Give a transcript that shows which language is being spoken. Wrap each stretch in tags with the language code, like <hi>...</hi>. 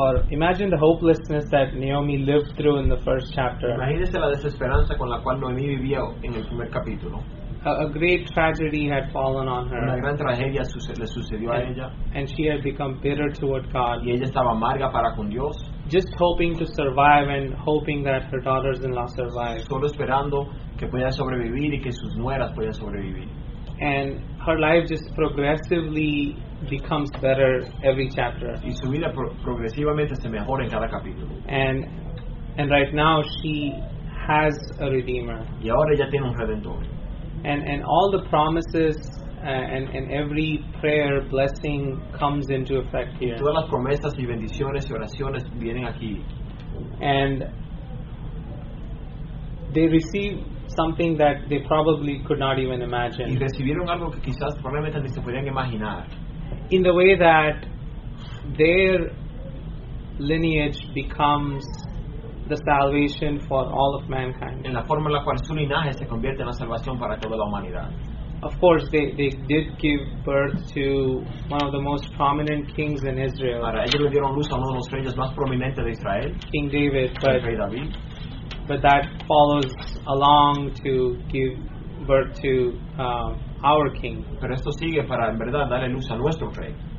<en>Imagine the hopelessness that Naomi lived through in the first chapter.</en> <es>Imagínese la desesperanza con la cual Noemí vivía en el primer capítulo.</es> <en>A great tragedy had fallen on her.</en> <es>Una gran tragedia le sucedió a ella.</es> <en>And she had become bitter toward God.</en> <es>Y ella estaba amarga para con Dios.</es> <en>Just hoping to survive and hoping that her daughters-in-law survive.</en> <es>Solo esperando que pueda sobrevivir y que sus nueras puedan sobrevivir.</es> <en>And her life just progressively becomes better every chapter.</en> <es>Y su vida progresivamente se mejora en cada capítulo.</es> <en>And right now she has a redeemer.</en> <es>Y ahora ella tiene un redentor.</es> <en>And all the promises and every prayer blessing comes into effect here.</en> <es>Todas las promesas y bendiciones y oraciones vienen aquí.</es> <en>And they receive something that they probably could not even imagine.</en> <es>Y recibieron algo que quizás probablemente ni se podían imaginar.</es> <en>In the way that their lineage becomes the salvation for all of mankind.</en> <es>En la forma en la cual su linaje se convierte en la salvación para toda la humanidad.</es> <en>Of course, they did give birth to one of the most prominent kings in Israel.</en> <es>Ahora, ellos le dieron luz a uno de los reyes más prominentes de Israel,</es> <en>King David,</en> <es>rey David.</es> <en>But that follows along to give birth to our king.</en> <es>Pero esto sigue para en verdad darle luz a nuestro rey.</es>